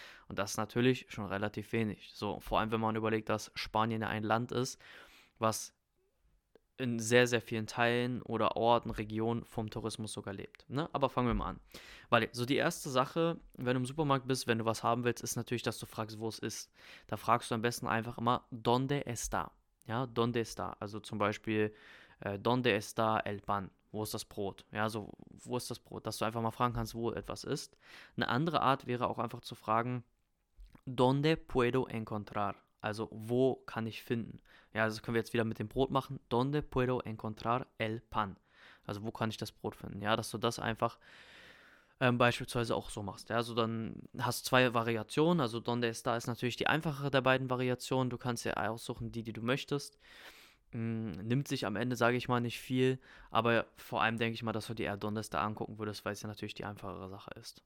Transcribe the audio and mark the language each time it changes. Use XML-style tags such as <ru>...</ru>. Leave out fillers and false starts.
<de>Und das ist natürlich schon relativ wenig. So, vor allem, wenn man überlegt, dass Spanien ja ein Land ist, was in sehr, sehr vielen Teilen oder Orten, Regionen vom Tourismus sogar lebt. Ne? Aber fangen wir mal an. Weil so die erste Sache, wenn du im Supermarkt bist, wenn du was haben willst, ist natürlich, dass du fragst, wo es ist. Da fragst du am besten einfach immer,</de> <es>¿dónde está?</es> <de>Ja, ¿dónde está? Also zum Beispiel,</de> <es>¿dónde está el pan?</es> <de>Wo ist das Brot? Ja, so, wo ist das Brot? Dass du einfach mal fragen kannst, wo etwas ist. Eine andere Art wäre auch einfach zu fragen,</de> <es>¿dónde puedo encontrar?</es> <de>Also, wo kann ich finden? Ja, das können wir jetzt wieder mit dem Brot machen.</de> <es>¿Dónde puedo encontrar el pan?</es> <de>Also, wo kann ich das Brot finden? Ja, dass du das einfach beispielsweise auch so machst. Ja, also dann hast du zwei Variationen. Also,</de> <es>¿dónde está?</es> <de>Ist natürlich die einfachere der beiden Variationen. Du kannst dir aussuchen, die du möchtest. Nimmt sich am Ende, sage ich mal, nicht viel. Aber vor allem denke ich mal, dass du dir eher</de> <es>¿dónde está?</es> <de>Angucken würdest, weil es ja natürlich die einfachere Sache ist.</de>